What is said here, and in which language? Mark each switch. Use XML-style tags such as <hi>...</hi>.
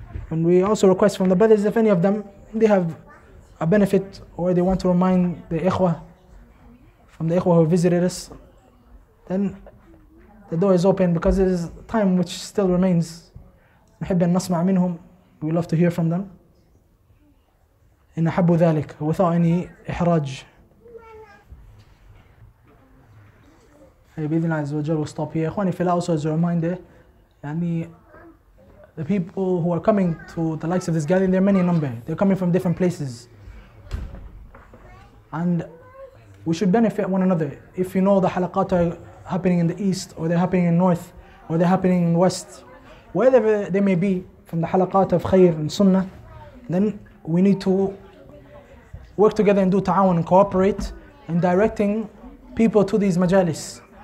<en>And we also request from the brothers, if any of them, they have a benefit or they want to remind the ikhwah, from the ikhwah who visited us, then the door is open, because there is time which still remains.</en> <ar>نحب أن نسمع منهم.</ar> <en>We love to hear from them.</en> <ar>إن أحب ذلك</ar> <en>without any</en> <ar>إحراج. بإذن الله عز وجل</ar> <en>we'll stop here.</en> <ar>إخواني في الله,</ar> <en>also as a reminder, يعني the people who are coming to the likes of this gathering, there are many in number. They're coming from different places. And we should benefit one another. If you know the halaqat are happening in the east, or they're happening in north, or they're happening in west, wherever they may be from the halaqat of khair and sunnah, then we need to work together and do ta'awun and cooperate in directing people to these majalis.</en>